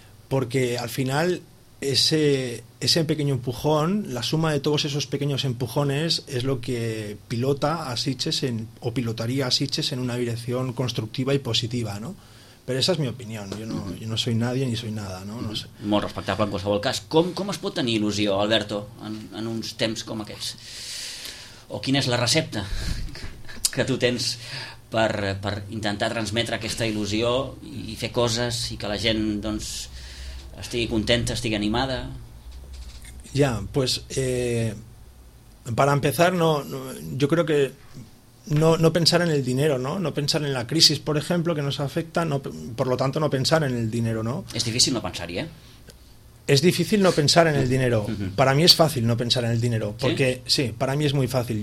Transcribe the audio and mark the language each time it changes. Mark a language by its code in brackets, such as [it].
[es] Porque al final ese pequeño empujón, la suma de todos esos pequeños empujones, es lo que pilota a Sitges o pilotaría a Sitges en una dirección constructiva y positiva, ¿no? Pero esa es mi opinión. Yo no soy nadie ni soy nada, ¿no? No sé. [ca] Molt respectable en qualsevol cas. Com es pot tenir il·lusió, Alberto, en uns temps com aquests? O quina és la recepta que tu tens per intentar transmetre aquesta il·lusió i fer coses i que la gent, doncs, estigui contenta, estigui animada? [es] Ya, pues para empezar, no, yo creo que no pensar en el dinero, ¿no? No pensar en la crisis, por ejemplo, que nos afecta, no, por lo tanto no pensar en el dinero, ¿no? Es difícil no pensar, ¿eh? Es difícil no pensar en el dinero. Para mí es fácil no pensar en el dinero, porque sí, para mí es muy fácil.